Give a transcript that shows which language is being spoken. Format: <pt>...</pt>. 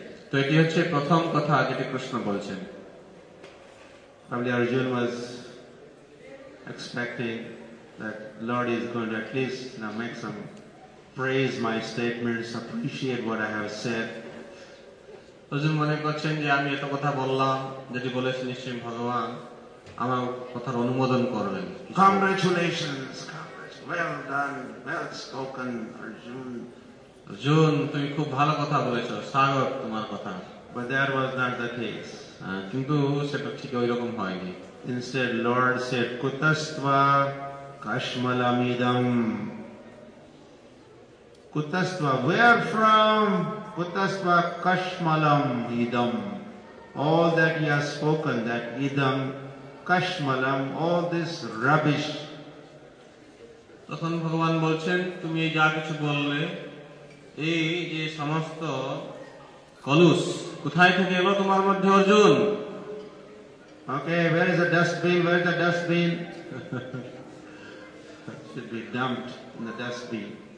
<bn>তো এটি হচ্ছে প্রথম কথা যেটি কৃষ্ণ বলছেন.</bn> <en>Probably Arjun was expecting that Lord is going to at least now make some praise my statements, appreciate what I have said.</en> <bn>Arjun মনে করছেন যে আমি এত কথা বললাম, যেটি বলেছেন নিশ্চয় ভগবান আমার কথার অনুমোদন করবেন.</bn> <en>Congratulations, well done, well spoken, Arjun.</en> <bn>Arjun, তুমি খুব ভালো কথা বলেছো, স্বাগত তোমার কথা.</bn> <en>But that was not the case.</en> <bn>কিন্তু সেটা ঠিক ওইরকম হয়নি.</bn> <en>Instead, Lord said,</en> <sa>"Kutastva kashmalamidam."</sa> <en>Kutastva, where from?</en> <sa>Putasva Kashmalam Idam.</sa> <en>All that he has spoken, that Idam, Kashmalam, all this rubbish.</en> <bn>তখন ভগবান বলছেন তুমি এই যা কিছু বললে এই যে সমস্ত কলুষ কোথায় থেকে এলো তোমার মধ্যে Arjun?</bn> <en>Okay, where is the dustbin? Where is the dustbin? Should be dumped in the dustbin.</en>